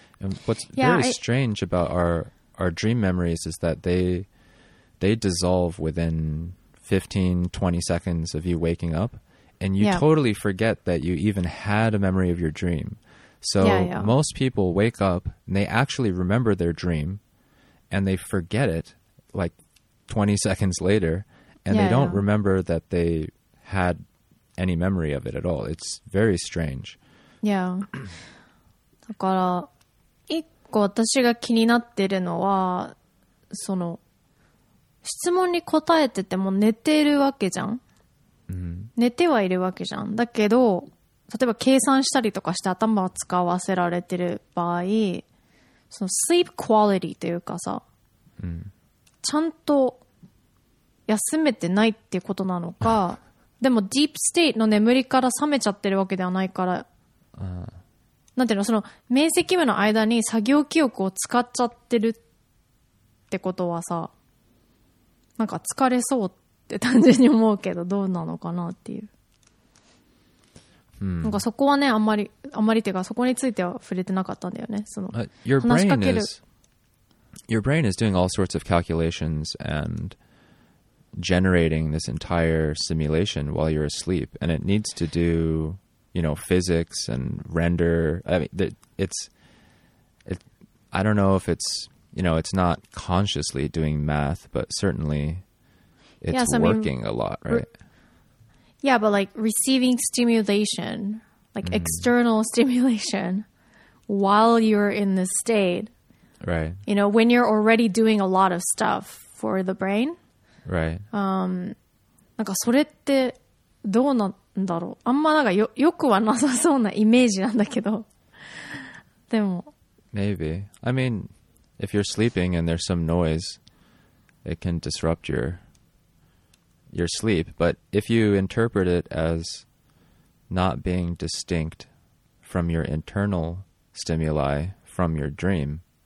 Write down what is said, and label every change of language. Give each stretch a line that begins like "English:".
English: And what's very strange about our dream memories is that they dissolve within 15, 20 seconds of you waking up, and you totally forget that you even had a memory of your dream. So most people wake up and they actually remember their dream and they forget it like 20 seconds later, and they don't remember that they had any memory of it at all. It's very strange.
Japanese: だから一個私が気になってるのはその質問に答えてても寝てるわけじゃん、寝てはいるわけじゃん。だけど例えば計算したりとかして頭を使わせられてる場合、その sleep quality というかさ、ちゃんと休めてないっていうことなのか、でもディープステイトの眠りから覚めちゃってるわけではないから、なんていうの、その明晰夢の間に作業記憶を使っちゃってるってことはさ、なんか疲れそうって単純に思うけど、どうなのかなっていう。なんかそこはね、あんまりてかそこについては触れてなかったんだよね。その話しかける。
English: Your brain is, your brain is doing all sorts of calculations and generating this entire simulation while you're asleep, and it needs to do, you know, physics and render. I mean, it's I don't know if it's, you know, it's not consciously doing math, but certainly it's working a lot, right? Yeah, but like receiving stimulation, like external stimulation while you're in this state. Right. You know, when you're already doing a lot of stuff for the brain. Right.
Japanese: なんかそれってどうなんだろう。あんまなんかよくはなさそうなイメージなんだけど。でも。
English: Maybe. I mean, if you're sleeping and there's some noise, it can disrupt your sleep, but if you interpret it as not being distinct from your internal stimuli from your dream,